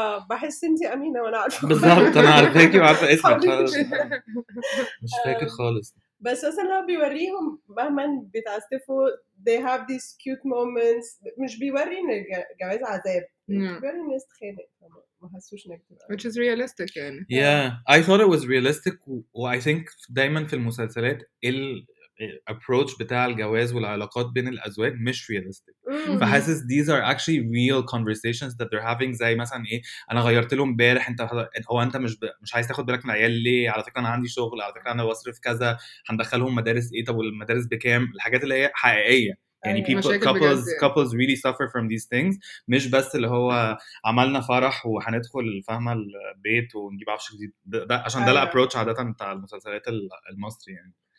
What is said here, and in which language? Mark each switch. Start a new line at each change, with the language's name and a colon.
Arabic: بحس انت امينه وانا عارفه بالظبط انا عارفاكي وعارفه اسمك مش فاكر خالص بس مثلا هو بيوريهم مهما بيتعسفوا
English: they have these cute moments
Arabic: مش بيوري ان الجواز عذاب بيوري ان الناس تخانق
English: which is realistic
Arabic: يعني.
English: Yeah, I thought it was realistic. I think
Arabic: دايما في المسلسلات ال approach بتاع الجواز والعلاقات بين الأزواج مش realistic. فحاسس
English: these are actually real conversations that they're having.
Arabic: زي مثلا إيه أنا غيرت لهم بارح أنت هو أنت مش عايز تاخد بالك من العيال ليه على فكرة أنا عندي شغل على فكرة أنا بصرف كذا هندخلهم مدارس إيه طب والمدارس بكام الحاجات اللي هي حقيقية. يعني
English: people couples really suffer from these things
Arabic: مش بس اللي هو عملنا فرح وهندخل الفهمة البيت ونجيب عفش جديد ده عشان ده الابروتش عادة بتاع المسلسلات المصري يعني